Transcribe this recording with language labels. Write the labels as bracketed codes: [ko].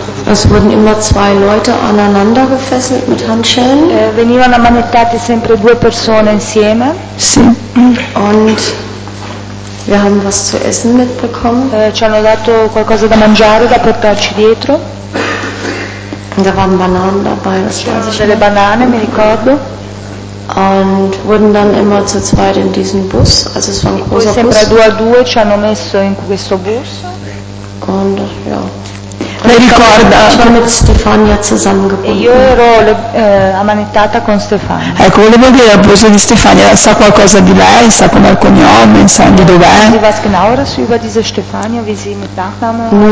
[de] Es wurden immer zwei Leute aneinander gefesselt mit Handschellen. [it] Venivano ammanettati sempre due persone insieme. Sì. [de] Und wir haben was zu essen mitbekommen. [it] Ci hanno dato qualcosa da mangiare da portarci dietro. [de] Da waren Bananen dabei, das weiß ich. [it] Delle banane, mi ricordo. [de] Und wurden dann immer zu zweit in diesen Bus. Also es war ein großer Bus. [it] Sempre due a due ci hanno messo in questo bus. [de] Und ja. [it] Le ricorda? [de] Ich war mit Stefania zusammengebunden. [it] Io ero ammanettata con Stefania. Ecco, volevo dire al posto di Stefania, sa qualcosa di lei, sa com'è il cognome, sa di dov'è? [de] Sie was genaueres über diese Stefania, wie sie mit Nachname